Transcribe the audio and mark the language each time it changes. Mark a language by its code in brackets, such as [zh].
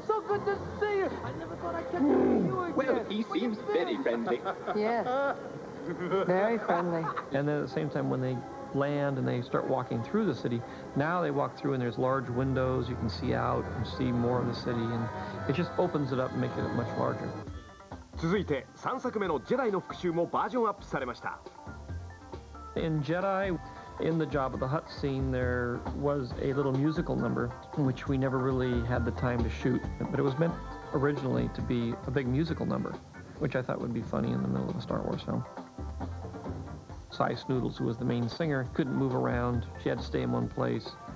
[en] So good to see you. I never thought I'd catch you again. Well, he seems very friendly. Yes. Very friendly. And then at the same time, when they land and they start walking through the city, now they walk through and there's large windows. You can see out and see more of the city. And it just opens it up and makes it much larger. [ja] 続いて3作目のジェダイの復讐もバージョンアップされました。 [en] In Jedi, in the Jabba the Hutt scene, there was a little musical number, which we never really had the time to shoot. But it was meant originally to be a big musical number, which I thought would be funny in the middle of a Star Wars film. Size Noodles, who was the main singer, couldn't move around. She had to stay in one place.